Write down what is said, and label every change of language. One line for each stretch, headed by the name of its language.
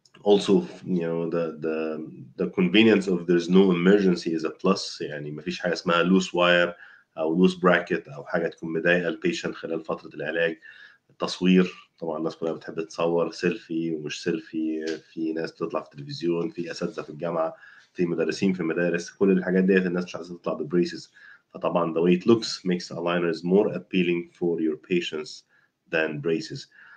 English: Also, you know, the convenience of there's no emergency is a plus.
Arabic: يعني ما فيش حاجة اسمها
English: loose wire
Arabic: أو
English: loose bracket
Arabic: أو حاجة تكون مضايقة البيشنت خلال فترة العلاج. التصوير طبعا الناس كلها بتحب تصور سيلفي ومش سيلفي، في ناس بتطلع في التلفزيون، في أساتذة في الجامعة، في مدرسين في المدارس، كل الحاجات ديت الناس مش عايزة تطلع ببريسز. فطبعا
English: the way it looks makes aligners more appealing for your patients than braces.